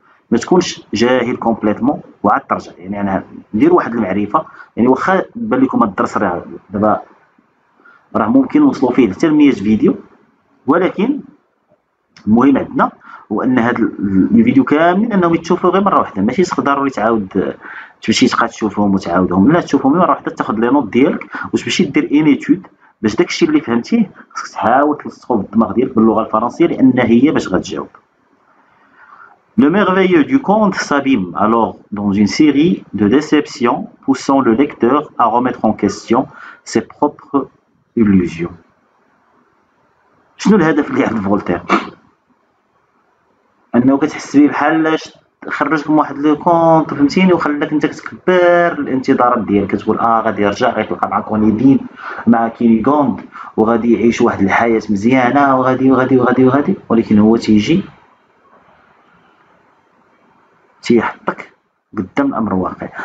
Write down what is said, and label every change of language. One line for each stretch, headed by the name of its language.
Arabic: ما تكونش جاهل كومبليتمون وعاد ترجع. يعني انا ندير واحد المعرفه، يعني واخا بان لكم الدرس راه دابا راه ممكن نوصلوا فيه حتى 100 فيديو، ولكن المهم عندنا هو ان هاد الفيديو كاملين انهم يتشوفوا غير مره واحده، ماشي خصك ضروري تعاود تمشي تبقى تشوفهم وتعاودهم، لا تشوفهم مره واحده تاخذ لي نوت ديالك وتمشي دير ان ايتود باش داكشي اللي فهمتيه خصك تحاول تلصقو في الدماغ ديالك باللغه الفرنسيه، لان هي باش غتجاوب.
French: Le merveilleux du conte s'abîme alors dans une série de déceptions poussant le lecteur à remettre en question ses propres illusions.
Arabic: شنو الهدف اللي عند فولتير؟ انه كتحس بيه بحال خرج لكم واحد لو كونت فهمتيني، وخلاك انت كتكبر الانتظارات ديالك، كتقول اه غادي يرجع غيتلقى مع كونيدين مع كينيغوند وغادي يعيش واحد الحياه مزيانه وغادي وغادي وغادي وغادي، ولكن هو تيجي تيحطك قدام الامر الواقع.